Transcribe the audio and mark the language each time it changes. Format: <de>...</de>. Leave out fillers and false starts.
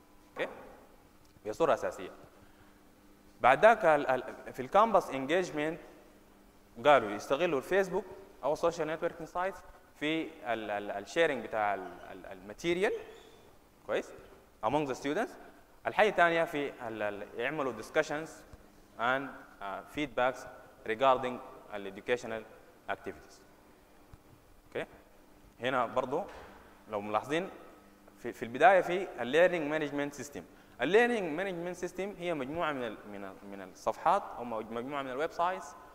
<ar>اوكي؟ بصوره اساسيه. بعد ذاك في الكامبس انجيجمنت قالوا يستغلوا الفيسبوك او السوشيال نتوركينج سايت في الشيرنج بتاع الماتيريال كويس؟</ar> <en>Among the students.</en> <ar>الحاجه الثانيه في يعملوا ديسكشنز</ar> <en>and feedbacks regarding the educational activities. Okay.</en> <ar>هنا برضو لو ملاحظين في البداية في</ar> <en>learning management system.</en> <ar>Learning management system هي مجموعة من الصفحات أو مجموعة من الويب سايتس.</ar>